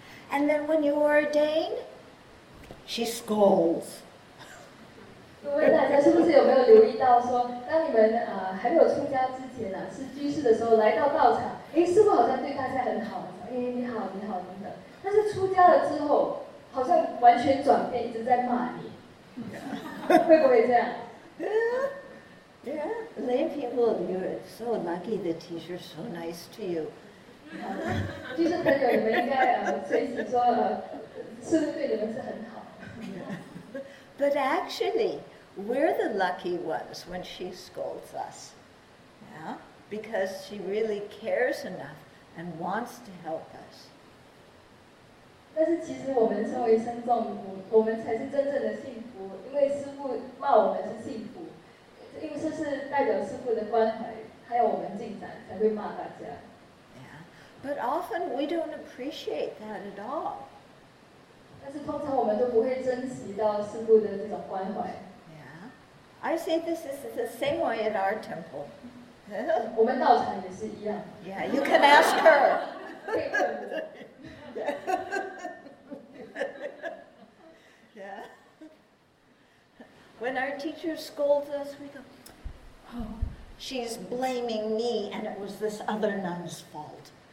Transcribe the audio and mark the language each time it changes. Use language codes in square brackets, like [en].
[en] And then when you are ordained, she scolds. [zh] 各位大家是不是有没有留意到说，当你们还没有出家之前呢，是居士的时候来到道场，哎，师父好像对大家很好，哎，你好，你好等等。但是出家了之后，好像完全转变，一直在骂你。会不会这样？ [en] Yeah, lay people, you're so lucky. The teacher's so nice to you. [zh] 居士朋友，你们应该随时说了，师父对你们是很好。 [en] But actually, we're the lucky ones when she scolds us, yeah? Because she really cares enough and wants to help us. [zh] 但是其实我们身为僧众，我们才是真正的幸福，因为师父骂我们是幸福，因为这是代表师父的关怀，还有我们进展才会骂大家。 [en] But often we don't appreciate that at all. [zh] 但是通常我们都不会珍惜到师父的这种关怀。 [en] Yeah. I say this is the same way at our temple. Yeah, you can ask her. Yeah. When our teacher scolds us, we go, oh, she's blaming me, and it was this other nun's fault.